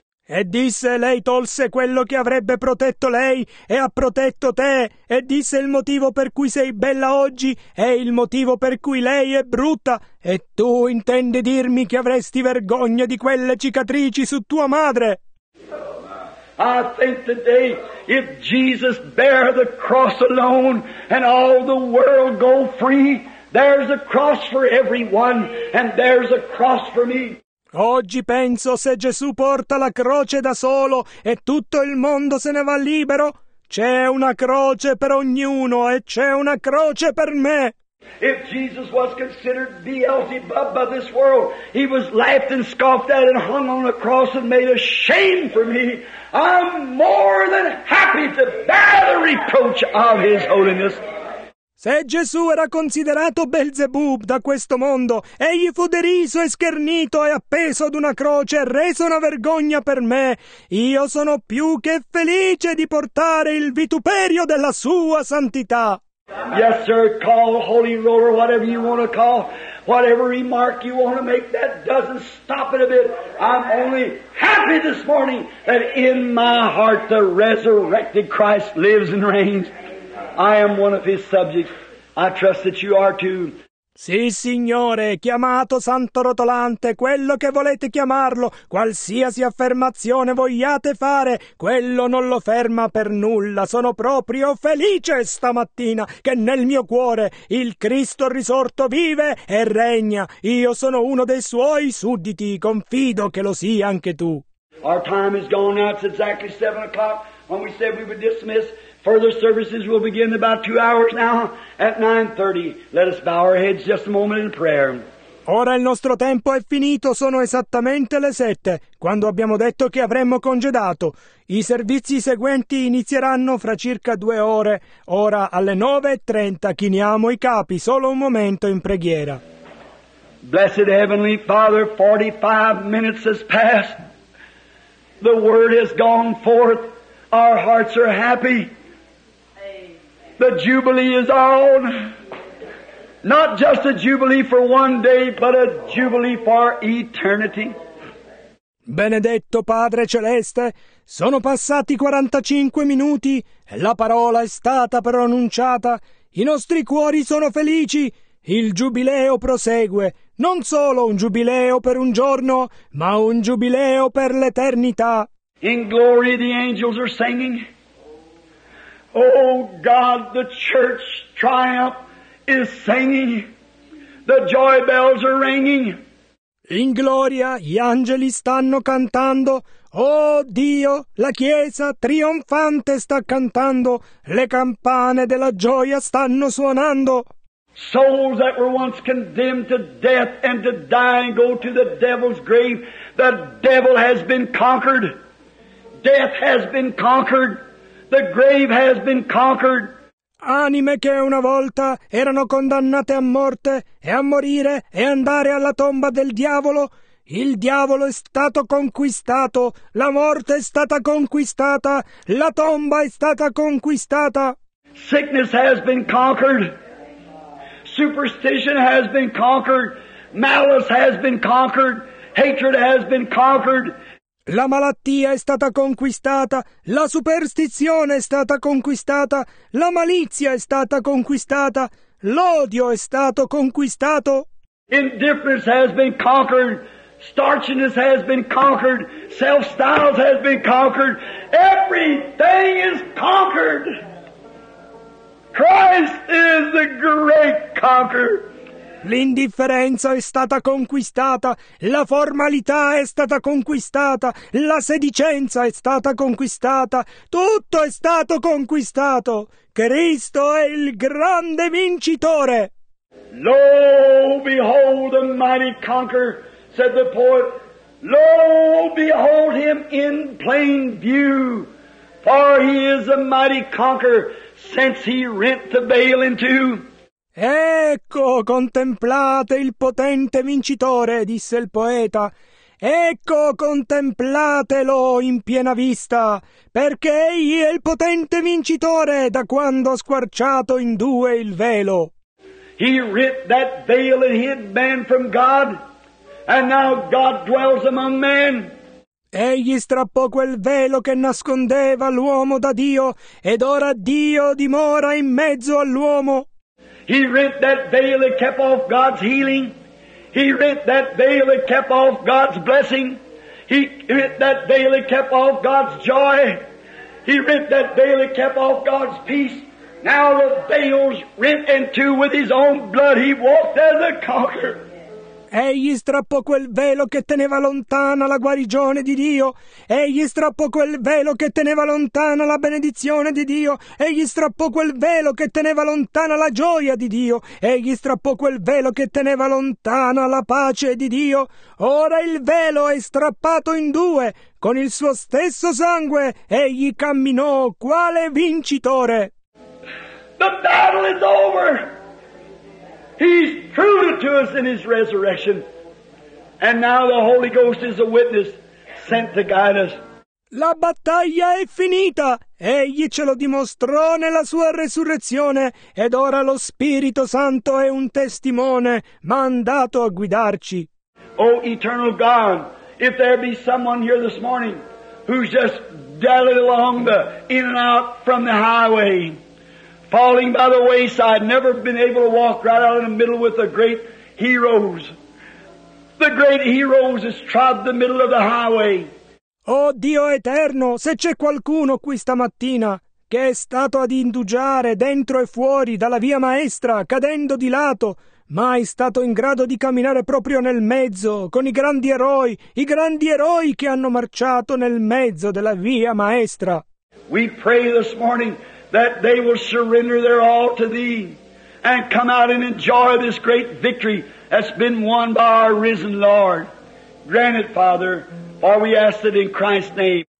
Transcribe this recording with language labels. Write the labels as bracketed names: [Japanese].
[Italian] E disse, lei tolse quello che avrebbe protetto lei e ha protetto te. E disse, il motivo per cui sei bella oggi è il motivo per cui lei è brutta. E tu intendi dirmi che avresti vergogna di quelle cicatrici su tua madre? [English] I think today if Jesus bear the cross alone and all the world go free, there's a cross for everyone and there's a cross for me. [Italian] Oggi penso se Gesù porta la croce da solo e tutto il mondo se ne va libero, c'è una croce per ognuno e c'è una croce per me. [English] If Jesus was considered Beelzebub by this world, he was laughed and scoffed at and hung on a cross and made a shame for me. I'm more than happy to bear the reproach of his holiness. [Italian] Se Gesù era considerato Beelzebub da questo mondo, egli fu deriso e schernito e appeso ad una croce e reso una vergogna per me. Io sono più che felice di portare il vituperio della sua santità. [English] Yes, sir, call Holy Roller, whatever you want to call, whatever remark you want to make, that doesn't stop it a bit. I'm only happy this morning that in my heart the resurrected Christ lives and reigns. I am one of his subjects. I trust that you are too. [Italian] Sì, signore, chiamato Santo Rotolante, quello che volete chiamarlo, qualsiasi affermazione vogliate fare, quello non lo ferma per nulla. Sono proprio felice stamattina che nel mio cuore il Cristo risorto vive e regna. Io sono uno dei suoi sudditi, confido che lo sia anche tu. [English] Our time is gone now, it's exactly 7 o'clock when we said we would dismiss. Further services will begin in about 2 hours now at 9:30. Let us bow our heads just a moment in prayer. [Italian] Ora il nostro tempo è finito, sono esattamente le 7, quando abbiamo detto che avremmo congedato. I servizi seguenti inizieranno fra circa 2 ore. Ora alle 9:30 chiniamo i capi, solo un momento in preghiera. [English] Blessed Heavenly Father, 45 minutes has passed. The word has gone forth. Our hearts are happy. The jubilee is on. Not just a jubilee for one day, but a jubilee for eternity. [Italian] Benedetto Padre Celeste, sono passati 45 minuti e la parola è stata pronunciata. I nostri cuori sono felici. Il giubileo prosegue. Non solo un giubileo per un giorno, ma un giubileo per l'eternità. [English] In glory the angels are singing. Oh God, the church triumph is singing. The joy bells are ringing. [Italian] In gloria gli angeli stanno cantando. Oh Dio, la chiesa trionfante sta cantando. Le campane della gioia stanno suonando. [English] Souls that were once condemned to death and to die and go to the devil's grave, the devil has been conquered. Death has been conquered. The grave has been conquered. [Italian] Anime che una volta erano condannate a morte e a morire e andare alla tomba del diavolo, Il diavolo è stato conquistato, la morte è stata conquistata, la tomba è stata conquistata. [English] Sickness has been conquered. Superstition has been conquered. Malice has been conquered. Hatred has been conquered. [Italian] La malattia è stata conquistata, la superstizione è stata conquistata, la malizia è stata conquistata, l'odio è stato conquistato. [English] Indifference has been conquered. Starchiness has been conquered. Self-styles has been conquered. Everything is conquered. Christ is the great conqueror. [Italian] L'indifferenza è stata conquistata, la formalità è stata conquistata, la sedicenza è stata conquistata, tutto è stato conquistato. Cristo è il grande vincitore. [English] Lo, behold the mighty conqueror, said the poet. Lo, behold him in plain view, for he is a mighty conqueror. Since he rent the veil in two. [Italian] Ecco, contemplate il potente vincitore, disse il poeta. Ecco, contemplatelo in piena vista, perché egli è il potente vincitore da quando ha squarciato in due il velo. [English] He rent that veil and hid man from God, and now God dwells among men. [Italian] Egli strappò quel velo che nascondeva l'uomo da Dio, ed ora Dio dimora in mezzo all'uomo. [English] He rent that veil that kept off God's healing. He rent that veil that kept off God's blessing. He rent that veil that kept off God's joy. He rent that veil that kept off God's peace. Now the veil's rent in two with his own blood. He walked as a conqueror. [Italian] Egli strappò quel velo che teneva lontana la guarigione di Dio. Egli strappò quel velo che teneva lontana la benedizione di Dio. Egli strappò quel velo che teneva lontana la gioia di Dio. Egli strappò quel velo che teneva lontana la pace di Dio. Ora il velo è strappato in due. Con il suo stesso sangue egli camminò quale vincitore. [English] The battle is over. He's true to us in his resurrection. And now the Holy Ghost is a witness sent to guide us. [Italian] La battaglia è finita. Egli ce lo dimostrò nella sua resurrezione. Ed ora lo Spirito Santo è un testimone mandato a guidarci. [English] Oh, eternal God, if there be someone here this morning who's just dallying along the in and out from the highway, falling by the wayside, never been able to walk right out in the middle with the great heroes. The great heroes has trod the middle of the highway. [Italian] Oh Dio eterno, se c'è qualcuno qui stamattina che è stato ad indugiare dentro e fuori dalla via maestra, cadendo di lato, mai stato in grado di camminare proprio nel mezzo con i grandi eroi che hanno marciato nel mezzo della via maestra. [English] We pray this morning that they will surrender their all to Thee and come out and enjoy this great victory that's been won by our risen Lord. Grant it, Father, for we ask it in Christ's name.